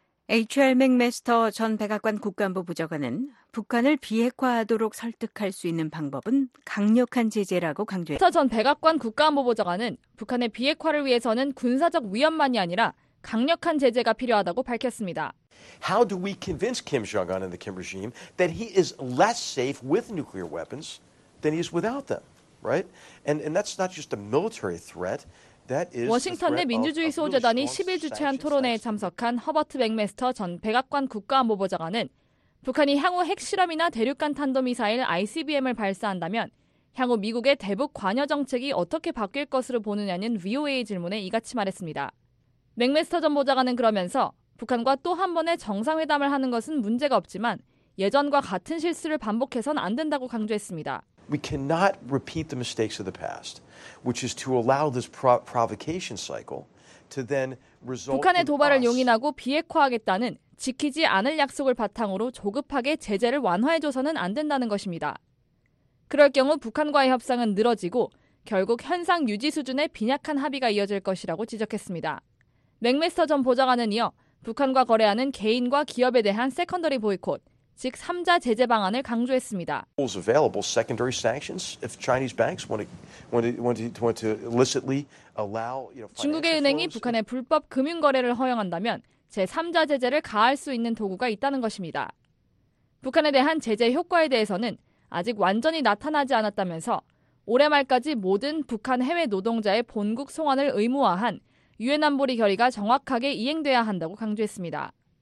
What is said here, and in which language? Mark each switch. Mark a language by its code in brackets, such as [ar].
[ko] HR 맥메스터 전 백악관 국간부 보좌관은 북한을 비핵화하도록 설득할 수 있는 방법은 강력한 제재라고 강조했다. 전 백악관 국간부 보좌관은 북한의 비핵화를 위해서는 군사적 위협만이 아니라 강력한 제재가 필요하다고 밝혔습니다. [en] How do we convince Kim Jong-un and the Kim regime that he is less safe with nuclear weapons than he is without them, right? And that's not just a military threat. [ko] 워싱턴 내 민주주의 수호재단이 10일 주최한 토론회에 참석한 허버트 맥메스터 전 백악관 국가안보보좌관은 북한이 향후 핵실험이나 대륙간 탄도미사일 ICBM을 발사한다면 향후 미국의 대북 관여 정책이 어떻게 바뀔 것으로 보느냐는 VOA 질문에 이같이 말했습니다. 맥메스터 전 보좌관은 그러면서 북한과 또 한 번의 정상회담을 하는 것은 문제가 없지만 예전과 같은 실수를 반복해서는 안 된다고 강조했습니다. [en] We cannot repeat the mistakes of the past, which is to allow this provocation cycle to then result. [ko] 북한의 도발을 용인하고 비핵화하겠다는 지키지 않을 약속을 바탕으로 조급하게 제재를 완화해줘서는 안 된다는 것입니다. 그럴 경우 북한과의 협상은 늘어지고 결국 현상 유지 수준의 빈약한 합의가 이어질 것이라고 지적했습니다. 맥메스터 전 보좌관은 이어 북한과 거래하는 개인과 기업에 대한 세컨더리 보이콧, 즉 3자 제재 방안을 강조했습니다. [en] Tools available, secondary sanctions if Chinese banks want to illicitly allow, you know, [ko] 중국의 은행이 북한의 불법 금융 거래를 허용한다면 제3자 제재를 가할 수 있는 도구가 있다는 것입니다. 북한에 대한 제재 효과에 대해서는 아직 완전히 나타나지 않았다면서 올해 말까지 모든 북한 해외 노동자의 본국 송환을 의무화한 유엔 안보리 결의가 정확하게 이행돼야 한다고 강조했습니다.